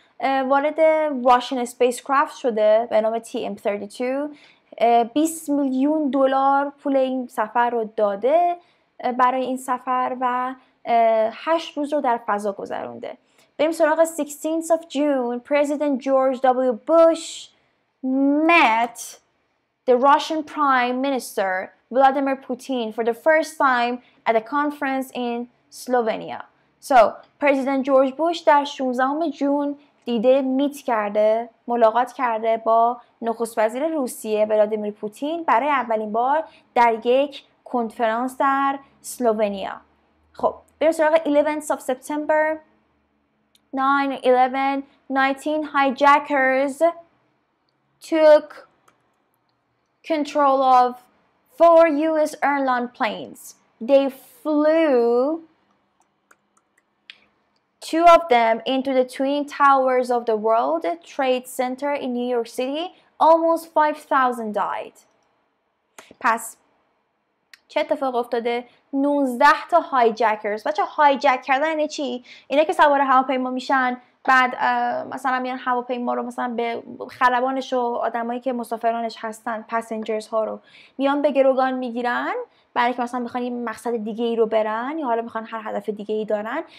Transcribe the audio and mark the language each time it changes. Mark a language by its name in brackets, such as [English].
[Persian] وارد واشن اسپیس‌کرافت شده به نام TM-32. 20 میلیون دلار پول این سفر رو داده برای این سفر و 8 روز رو در فضا گذرونده. بریم سراغ [English] 16th of June. President George W. Bush met the Russian Prime Minister Vladimir Putin for the first time at a conference in Slovenia. So, President George Bush [Persian] در 16 جون دیده میت کرده، ملاقات کرده با نخست وزیر روسیه ولادیمیر پوتین برای اولین بار در یک کنفرانس در اسلوونیا. خب، بریم سراغ [English] 11th of September. 9/11, 19 hijackers took control of 4 US airline planes. They flew 2 of them into the Twin Towers of the World Trade Center in New York City. Almost 5,000 died. [Persian] پس چه اتفاق افتاده؟ 19 تا هایجکرز. بچه هایجک کردن اینه چی؟ اینه که سوار هواپیما میشن، بعد مثلا میان هواپیما رو مثلا به خلبانش و آدمایی که مسافرانش هستن، پسنجرز ها رو میان به گروگان میگیرن برای که مثلا میخوان یه مقصد دیگه ای رو برن یا حالا میخوان هر هدف دیگه ای دارن.